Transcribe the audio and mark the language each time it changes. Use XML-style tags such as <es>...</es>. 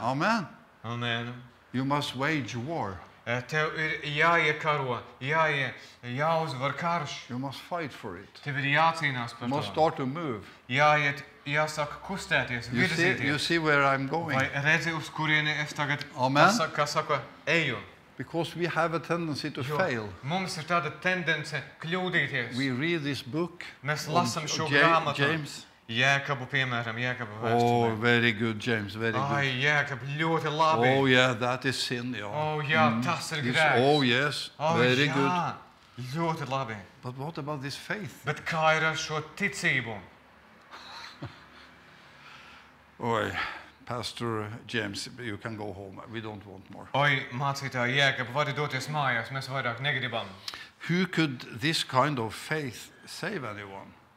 <en>Amen. Amen. You must wage war.</en> <lv>Tev ir jāiekaro, jāuzvar karš.</lv> <en>You must fight for it.</en> <lv>Tev ir jācīnās par to.</lv> <en>You must start to move.</en> <lv>Jāiet, jāsaka kustēties, virzīties.</lv> <en>You see where I'm going.</en> <lv>Vai redzi, uz kurieni es tagad pasaka, saku, eju.</lv> <en>Because we have a tendency to fail.</en> <lv>Mums ir tāda tendence kļūdīties.</lv> <en>We read this book.</en> <lv>Mēs lasam šo grāmatu.</lv> <en>James.</en> <lv>Jēkabu, piemēram, Jēkabu vēstulē.</lv> <en>Oh, very good, James, very good.</en> <lv>Ai, Jēkab, ļoti labi.</lv> <en>Oh, yeah, that is sin, jo.</en> <lv>Oh, jā, tas ir grēks.</lv> <en>Oh, yes, very good.</en> <lv>Jā, ļoti labi.</lv> <en>But what about this faith?</en> <lv>Bet kā ir ar šo ticību?</lv> <en>Oi, Pastor James, you can go home. We don't want more.</en> <lv>Oi, mācītā, Jēkab, vari doties mājās, mēs vairāk negribam.</lv> <en>Who could this kind of faith save anyone?</en>